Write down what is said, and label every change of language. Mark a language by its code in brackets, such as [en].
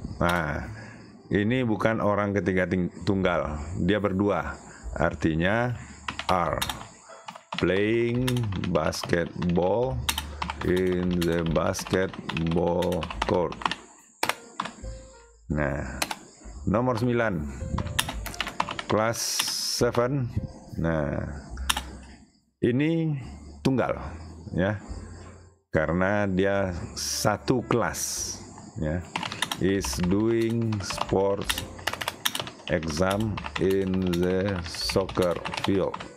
[id] Nah, ini bukan orang ketiga tunggal. Dia berdua. Artinya [en] are playing basketball in the basketball court. [id] Nah, nomor 9. [en] Class 7. [id] Nah, ini tunggal ya, karena dia satu kelas ya. [en] Is doing sports exam in the soccer field.